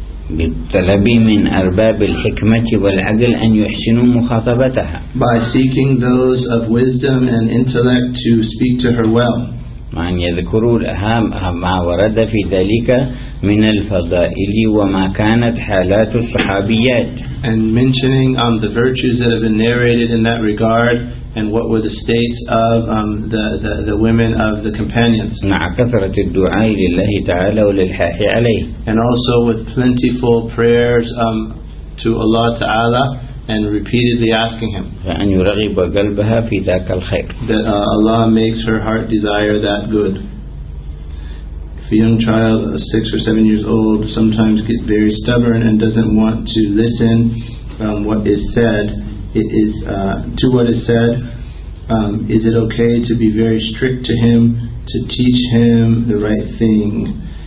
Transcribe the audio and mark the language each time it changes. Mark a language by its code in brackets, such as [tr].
[ar] بالطلب من أرباب الحكمة والعقل أن يحسنوا مخاطبتها. [en] By seeking those of wisdom and intellect to speak to her well. [ar] وأن يذكروا لها ما ورد في ذلك من الفضائل وما كانت حالات الصحابيات. [en] And mentioning the virtues that have been narrated in that regard. And what were the states of the women of the companions? [ar] مع كثرة الدعاء لله تعالى وللحاح عليه. [en] And also with plentiful prayers to Allah Ta'ala and repeatedly asking Him. [ar] فأن يرغب قلبها في ذاك الخير. [en] That Allah makes her heart desire that good. if a young child, 6 or 7 years old, sometimes get very stubborn and doesn't want to listen what is said, it is to what is said, is it okay to be very strict to him, to teach him the right thing?